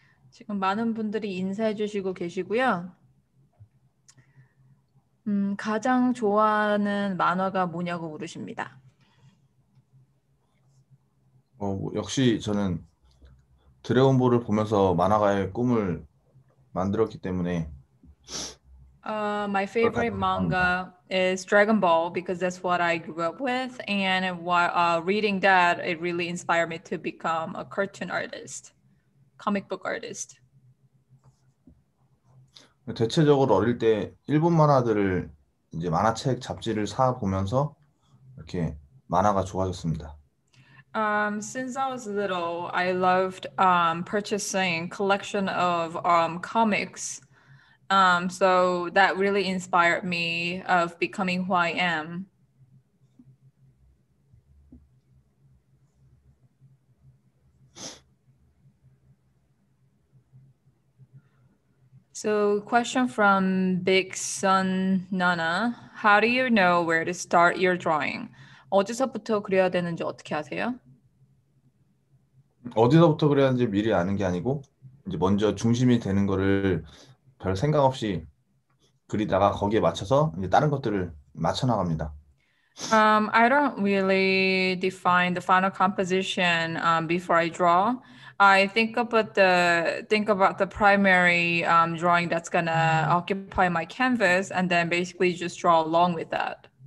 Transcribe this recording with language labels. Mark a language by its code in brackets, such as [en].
[ko] 지금 많은 분들이 인사해 주시고 계시고요. 가장 좋아하는 만화가 뭐냐고 물으십니다. 역시 저는 드래곤볼을 보면서 만화가의 꿈을 만들었기 때문에. [en] My favorite manga is Dragon Ball because that's what I grew up with, and while reading that, it really inspired me to become a cartoon artist, comic book artist. [ko] 대체적으로 어릴 때 일본 만화들을 이제 만화책 잡지를 사 보면서 이렇게 만화가 좋아졌습니다. [en] Since I was little, I loved purchasing collection of comics. So that really inspired me of becoming who I am. So question from Big Sun Nana. How do you know where to start your drawing? [ko] 어디서부터 그려야 되는지 어떻게 아세요? 어디서부터 그려야 하는지 미리 아는 게 아니고 이제 먼저 중심이 되는 거를 별 생각 없이 그리다가 거기에 맞춰서 이제 다른 것들을 맞춰 나갑니다. [en] I don't really define the final composition before I draw. I think about the primary drawing that's gonna occupy my canvas, and then basically just draw along with that.